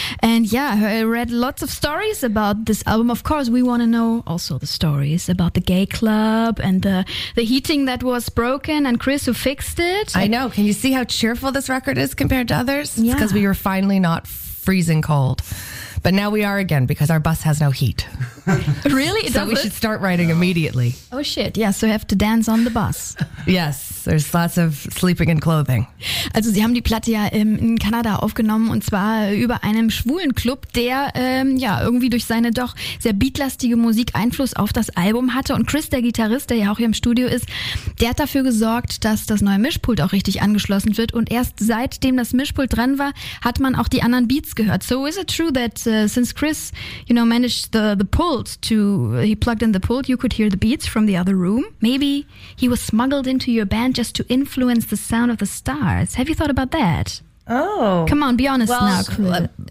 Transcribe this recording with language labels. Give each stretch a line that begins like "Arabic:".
English: And I read lots of stories about this album. Of course, we want to know also the stories about the gay club and the heating that was broken and Chris who fixed it. I know. Can you see how cheerful this record is compared to others? Yeah. It's because we were finally not freezing cold. But now we are again because our bus has no heat. Really? So we should start writing immediately. Oh, shit. Yeah, so we have to dance on the bus. Yes, there's lots of sleeping and clothing.
German: Also sie haben die Platte ja in Kanada aufgenommen und zwar über einem schwulen Club, der irgendwie durch seine doch sehr beatlastige Musik Einfluss auf das Album hatte. Und Chris, der Gitarrist, der ja auch hier im Studio ist, der hat dafür gesorgt, dass das neue Mischpult auch richtig angeschlossen wird. Und erst seitdem das Mischpult dran war, hat man auch die anderen Beats gehört.
English: So is it true that since Chris, managed the pult to, he plugged in the pult, you could hear the beats from the other room. Maybe he was smuggled into your band just to influence the sound of the stars. Have you thought about that? Oh. Come on, be honest now, Chris.